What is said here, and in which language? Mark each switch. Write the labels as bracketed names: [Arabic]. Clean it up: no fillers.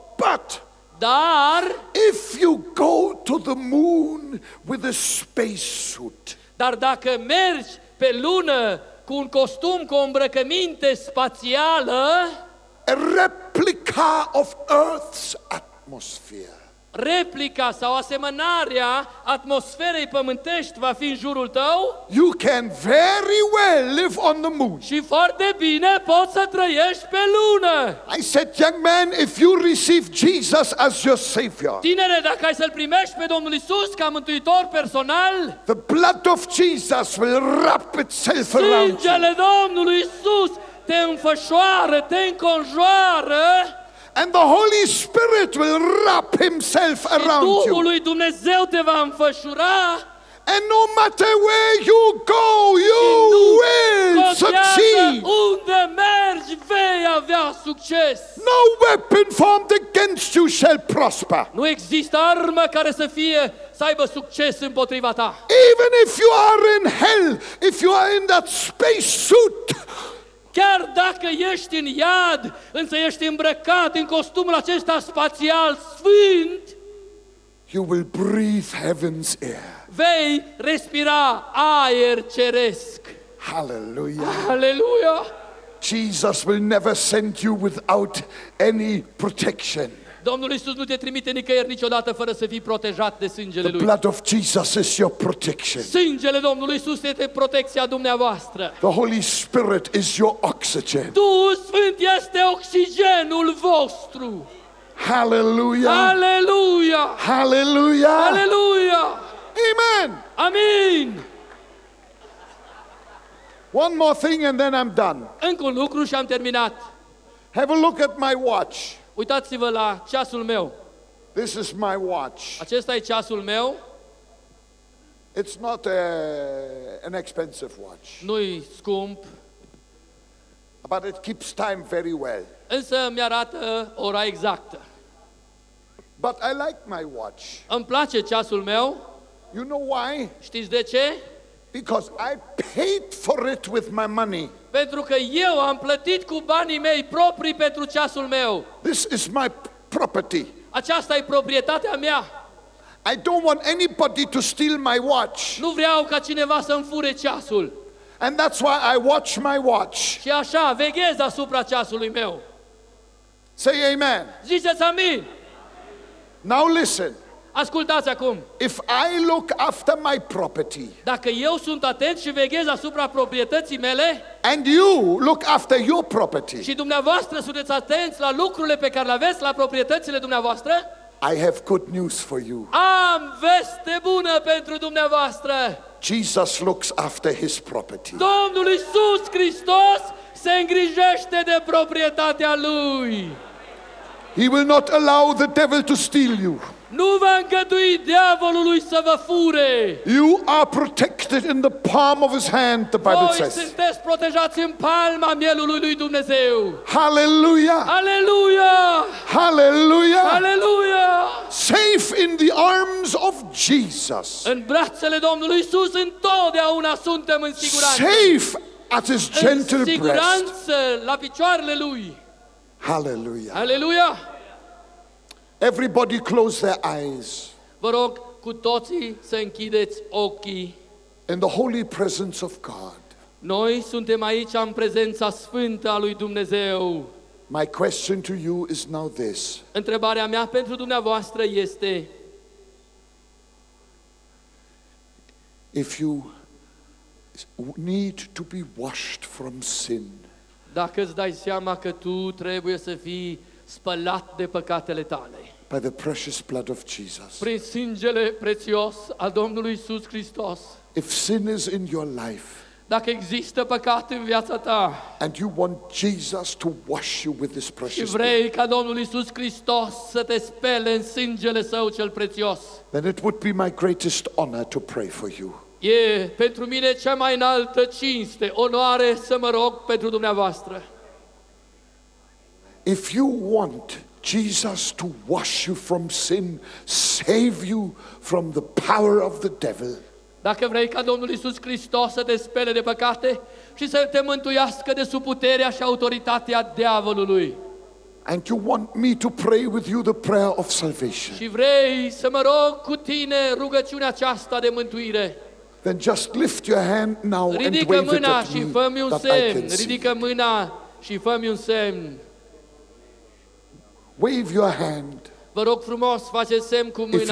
[English] But [Romanian] dar [English] if you go to the moon with a space suit. [Romanian] Dar dacă mergi pe lună cu un costum, cu o îmbrăcăminte spațială, [English] a replica of Earth's atmosphere. [Romanian] Replica sau asemănarea atmosferei pământești va fi în jurul tău. [English] You can very well live on the moon. [Romanian] Și foarte bine poți să trăiești pe lună. [English] I said, young man, if you receive Jesus as your savior. [Romanian] Tinere, dacă ai să-l primești pe Domnul Iisus ca mântuitor personal, [English] the blood of Jesus will wrap itself around you. [Romanian] Sângele Domnului Iisus te înfășoară, te înconjoară. [English] And the Holy Spirit will wrap himself around you. [Romanian] Duhul lui Dumnezeu te va înfășura. [English] And no matter where you go, you will succeed. [Romanian] Unde mergi, vei avea succes. [English] No weapon formed against you shall prosper. [Romanian] Nu există armă care să fie să aibă succes împotriva ta. [English] Even if you are in hell, if you are in that space suit, [Romanian] chiar dacă ești în iad, însă ești îmbrăcat în costumul acesta spațial sfânt, [English] you will breathe heaven's air. [Romanian] Vei respira aer ceresc. [English] Hallelujah. [Romanian] Hallelujah. [English] Jesus will never send you without any protection. [Romanian] Domnul Iisus nu te trimite nicăieri niciodată fără să fii protejat de sângele Lui. [English] The blood of Jesus is your protection. [Romanian] Sângele Domnului Iisus este protecția dumneavoastră. [English] The Holy Spirit is your oxygen. [Romanian] Duhul Sfânt este oxigenul vostru. [English] Hallelujah. [Romanian] Hallelujah. [English] Hallelujah. [Romanian] Hallelujah. [English] Amen. [Romanian] Amin. [English] One more thing and then I'm done. [Romanian] Încă un lucru și am terminat. [English] Have a look at my watch. [Romanian] Uitați-vă la ceasul meu. [English] This is my watch. [Romanian] Acesta e ceasul meu. [English] It's not an expensive watch. [Romanian] Nu-i scump. [English] But it keeps time very well. [Romanian] Însă mi-arată ora exactă. [English] But I like my watch. [Romanian] Îmi place ceasul meu. [English] You know why? [Romanian] Știți de ce? [English] Because I paid for it with my money. [Romanian] Pentru că eu am plătit cu banii mei proprii pentru ceasul meu. [English] This is my property. [Romanian] Aceasta e proprietatea mea. [English] I don't want anybody to steal my watch. [Romanian] Nu vreau ca cineva să-mi fure ceasul. [English] And that's why I watch my watch. [Romanian] Și așa veghez asupra ceasului meu. [English] Say amen. [Romanian] Ziceți amin. [English] Now listen. [Romanian] Ascultați acum. [English] If I look after my property. [Romanian] Dacă eu sunt atent și veghez asupra proprietății mele. [English] And you look after your property. [Romanian] Și dumneavoastră sunteți atenți la lucrurile pe care le aveți, la proprietățile dumneavoastră. [English] I have good news for you. [Romanian] Am veste bună pentru dumneavoastră. [English] Jesus looks after his property. [Romanian] Domnul Iisus Hristos se îngrijește de proprietatea lui. [English] He will not allow the devil to steal you. [Romanian] Nu va îngădui diavolului să vă fure. [English] You are protected in the palm of his hand, the Bible says. [Romanian] Voi sunteți protejați în palma mielului lui Dumnezeu. [English] Hallelujah. [Romanian] Hallelujah. [English] Hallelujah. [Romanian] Hallelujah. [English] Safe in the arms of Jesus. [Romanian] În brațele Domnului Iisus întotdeauna suntem în siguranță. [English] Safe at his gentle breast. [Romanian] În siguranță la picioarele lui. [English] Hallelujah. [Romanian] Hallelujah. [English] Everybody close their eyes. [Romanian] Vă rog cu toții să închideți ochii. [English] In the holy presence of God. [Romanian] Noi suntem aici în prezența sfântă a lui Dumnezeu. [English] My question to you is now this. [Romanian] Întrebarea mea pentru dumneavoastră este: [English] if you need to be washed from sin. [Romanian] Dacă îți dai seama că tu trebuie să fii spălat de păcatele tale. [English] By the precious blood of Jesus. [Romanian] Prin sângele prețios al Domnului Iisus Hristos. [English] If sin is in your life. [Romanian] Dacă există păcat în viața ta. [English] And you want Jesus to wash you with this precious blood. [Romanian] Și vrei ca Domnul Iisus Hristos să te spele în sângele Său cel prețios. [English] Then it would be my greatest honor to pray for you. [Romanian] E pentru mine cea mai înaltă cinste, onoare să mă rog pentru dumneavoastră. [English] If you want Jesus to wash you from sin, save you from the power of the devil. [Romanian] Dacă vrei ca Domnul Iisus Hristos să te spele de păcate și să te mântuiască de sub puterea și autoritatea diavolului. [English] And you want me to pray with you the prayer of salvation. [Romanian] Și vrei să mă rog cu tine rugăciunea aceasta de mântuire. [English] Then just lift your hand now [Romanian] ridică [English] and wave [Romanian] mâna [English] it at [Romanian] și [English] me [Romanian] fă-mi un [English] that [Romanian] semn. [English] I can see. [Romanian] Ridică mâna și fă-mi un semn. [English] Wave your hand. [Romanian] Vă rog frumos, faceți semn cu mâna.